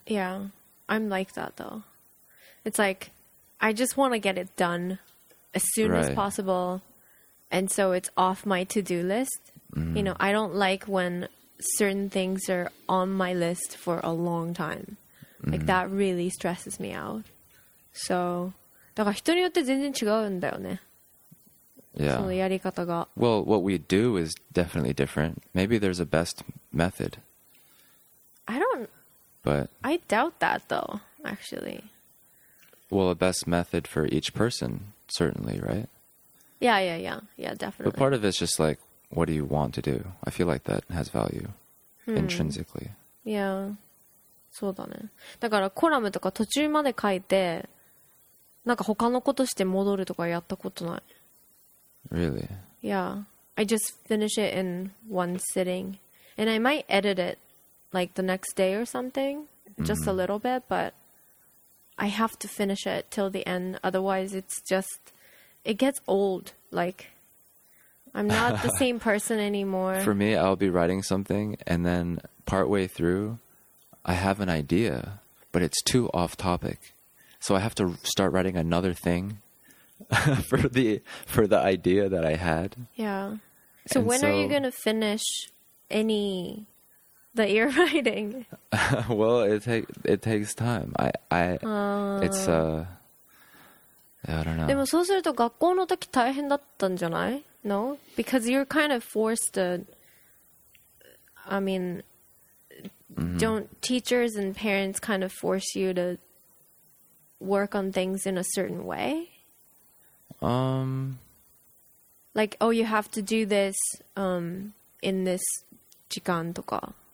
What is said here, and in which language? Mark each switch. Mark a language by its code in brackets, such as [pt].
[en] Yeah. I'm like that though. It's like, I just want to get it done as soon as possible. And so it's off my to-do list. Mm-hmm. You know, I don't like when certain things are on my list for a long time. Mm-hmm. Like that really stresses me out. [ja] So, だから人によって全然違うんだよね。 [en] Yeah. [ja] そのやり方が。 [en] Well, what we do is definitely different. Maybe there's a best method. I doubt that though, actually. Well, a best method for each person, certainly, right? Yeah, definitely. But part of it's just like, what do you want to do? I feel like that has value intrinsically. [ja] Yeah. そうだね。だからコラムとか途中まで書いて、なんか他のことして戻るとかやったことない。 [en] Really? Yeah. I just finish it in one sitting. And I might edit it like the next day or something. Just a little bit, but I have to finish it till the end. Otherwise, it's just... It gets old. Like, I'm not the same person anymore. For me, I'll be writing something and then partway through, I have an idea, but it's too off topic. So I have to start writing another thing. for the idea that I had. Yeah. So when are you going to finish any that you're writing? Well, it takes time. I don't know. [ja] でもそうすると学校の時大変だったんじゃない? [en] No? Because you're kind of forced to... I mean, don't teachers and parents kind of force you to work on things in a certain way? Like, oh, you have to do this in this [ja] 時間とか.